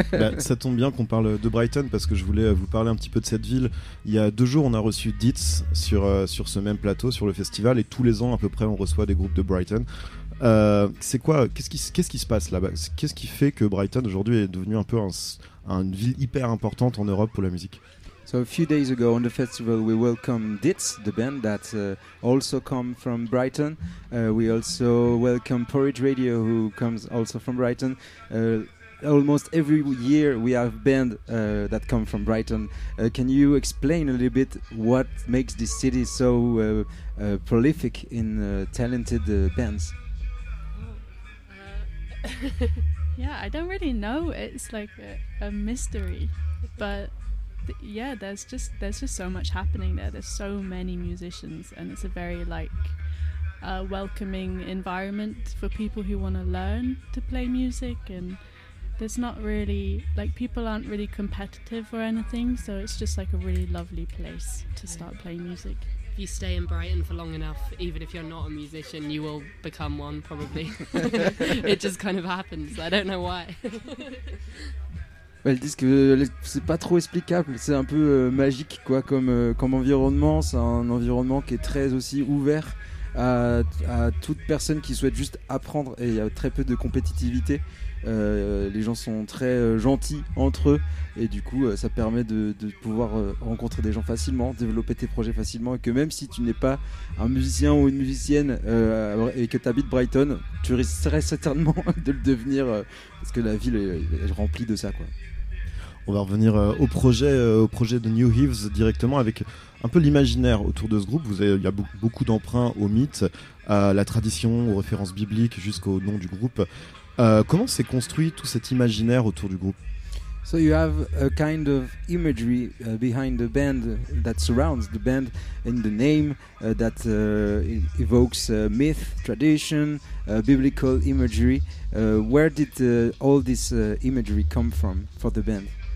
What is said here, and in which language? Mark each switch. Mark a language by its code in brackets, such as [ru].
[fr] Bah, ça tombe bien qu'on parle de Brighton, parce que je voulais vous parler un petit peu de cette ville. Il y a deux jours, on a reçu Dietz sur ce même plateau, sur le festival, et tous les ans à peu près, on reçoit des groupes de Brighton. Qu'est-ce qui se passe là-bas? Qu'est-ce qui fait que Brighton aujourd'hui est devenu un peu une ville hyper importante en Europe pour la musique? [en] So a few days ago on the festival we welcomed Dietz, the band that also come from Brighton. We also welcome Porridge Radio, who comes also from Brighton. Almost every year we have band that come from Brighton. Can you explain a little bit what makes this city so prolific in talented bands? Yeah, I don't really know. It's like a mystery. But yeah, there's just so much happening there. There's so many musicians, and it's a very like welcoming environment for people who want to learn to play music, and there's not really, like, people aren't really competitive or anything, so it's just like a really lovely place to start playing music. If you stay in Brighton for long enough, even if you're not a musician, you will become one, probably. It just kind of happens, I don't know why. [fr] Elles disent que c'est pas trop explicable, c'est un peu magique quoi, comme environnement. C'est un environnement qui est très aussi ouvert à toute personne qui souhaite juste apprendre, et il y a très peu de compétitivité. Les gens sont très gentils entre eux, et du coup ça permet de pouvoir rencontrer des gens facilement, développer tes projets facilement, et que même si tu n'es pas un musicien ou une musicienne et que tu habites Brighton, tu risquerais certainement de le devenir parce que la ville est remplie de ça quoi. On va revenir au projet de New Hives directement, avec un peu l'imaginaire autour de ce groupe. Il y a beaucoup d'emprunts au mythe, à la tradition, aux références bibliques, jusqu'au nom du groupe. Comment s'est construit tout cet imaginaire autour du groupe? [en] So you have a kind of imagery behind the band that surrounds the band in the name that evokes myth, tradition, biblical imagery. Where did all this imagery come from for the band?